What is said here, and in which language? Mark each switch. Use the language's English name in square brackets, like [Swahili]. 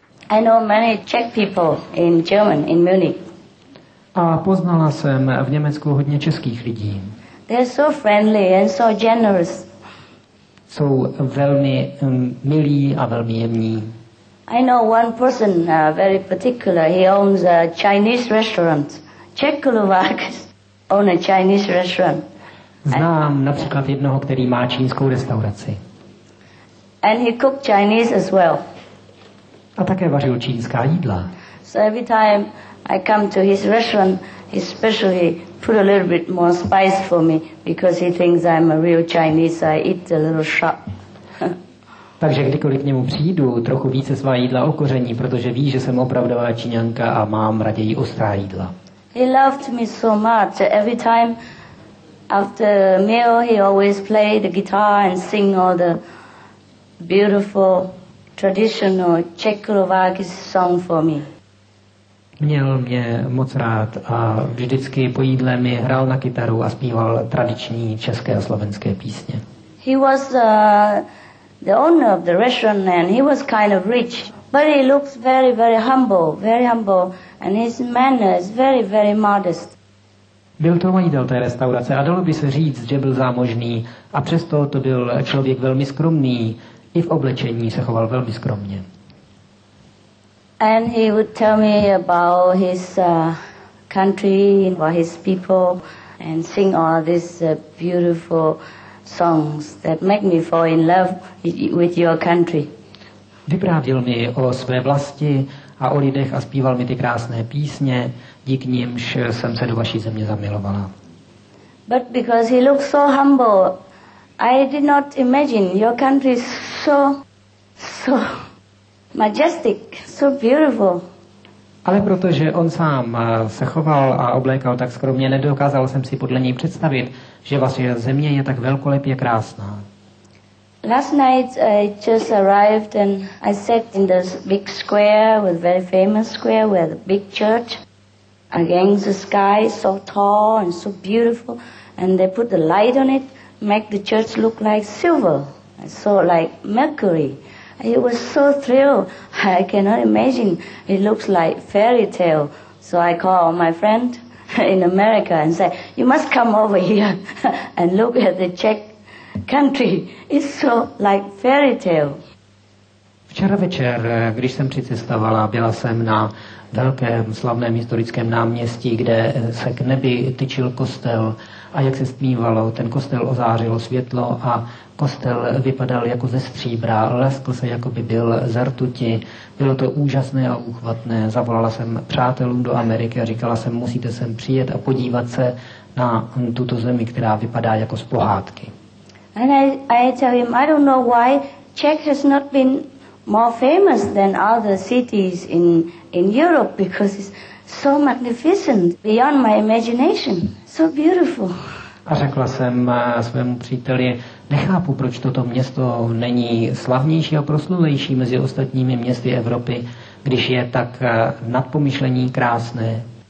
[English] I know many Czech people in German, in Munich. [Czech] A poznala jsem v Německu hodně českých lidí. [English] They're so friendly and so generous. [Czech] Jsou velmi milí a velmi jemní. [English] I know one person very particular. He owns a Chinese restaurant. Czech Kulovák own a Chinese restaurant. [Czech] Znám například jednoho, který má čínskou restauraci. [English] And he cooked Chinese as well. [Czech] A také vařil čínská jídla. [English] So every time I come to his restaurant, he specially put a little bit more spice for me because he thinks I'm a real Chinese. I eat a little sharp. [Czech] Takže kdykoliv k němu přijdu, trochu více svá jídla okoření, protože ví, že jsem opravdová Číňanka a mám raději ostrá jídla. [English] He loved me so much. Every time after meal, he always played the guitar and sing all the beautiful traditional Czech Slovaky song for me. [Czech] Měl mě moc rád a vždycky po jídle mi hrál na kytaru a zpíval tradiční české a slovenské písně. [English] He was the owner of the restaurant and he was kind of rich, but he looks very, very humble, and his manner is very, very modest. [Czech] Byl to majitel té restaurace a dalo by se říct, že byl zámožný, a přesto to byl člověk velmi skromný. I v oblečení se choval velmi skromně. [English] And he would tell me about his country, about his people, and sing all these beautiful songs that make me fall in love with your country. [Czech] Vyprávěl mi o své vlasti a o lidech a zpíval mi ty krásné písně, díky nimž jsem se do vaší země zamilovala. [English] But because he looked so humble, I did not imagine your country is so majestic, so beautiful. [Czech] Ale protože on sám se choval a oblékal tak skromně, nedokázal jsem si podle něj představit, že vaše země je tak velkolepě krásná. [English] Last night I just arrived and I sat in the big square, with very famous square, where the big church against the sky, so tall and so beautiful, and they put the light on it. Make the church look like silver, so like mercury. He was so thrilled. I cannot imagine. It looks like fairy tale. So I call my friend in America and say, "You must come over here and look at the Czech country. It's so like fairy tale." [Czech] Včera večer, když jsem přicestovala, byla jsem na velkém slavném historickém náměstí, kde se k nebi tyčil kostel. A jak se stmívalo, ten kostel ozářilo světlo a kostel vypadal jako ze stříbra, leskl se, jako by byl ze rtuti. Bylo to úžasné a úchvatné. Zavolala jsem přátelům do Ameriky a říkala jsem, musíte sem přijet a podívat se na tuto zemi, která vypadá jako z pohádky. [English] And I tell him, I don't know why Czech has not been more famous than other cities in Europe, because it's so magnificent, beyond my imagination, so beautiful. [Czech] A řekla jsem svému příteli, nechápu, proč toto město není slavnější a proslulejší mezi ostatními městy Evropy, když je tak nadpomyšlení krásné.